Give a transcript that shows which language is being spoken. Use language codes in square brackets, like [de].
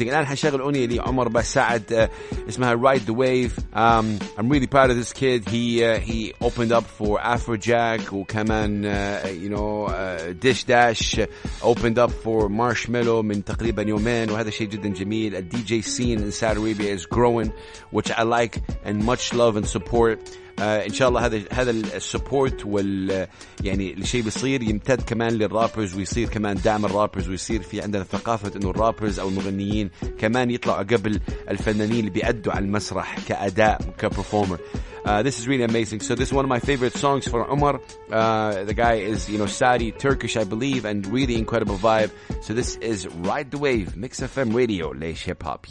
[ar] الآن حشغل أغنية لي عمر بسعد اسمها Ride the Wave. [en] I'm really proud of this kid. He opened up for Afrojack [ar] وكمان [en] Dish Dash opened up for Marshmello [ar] من تقريبا يومين، وهذا شيء جدا جميل. [en] The DJ scene in Saudi Arabia is growing, which I like, and much love and support. [ar] إن شاء الله هذا السupport وال يعني الشيء بيصير يمتد كمان للرابرز، ويصير كمان دعم الرابرز، ويصير في عندنا ثقافة إنه الرابرز أو المغنيين كمان يطلعوا قبل الفنانين اللي بيأدوا على المسرح كأداء كperformer. [en] This is really amazing. So this is one of my favorite songs for Omar. The guy is, you know, Saudi, Turkish, I believe, and really incredible vibe. So this is Ride the Wave, Mix FM Radio, Laish Hip Hop.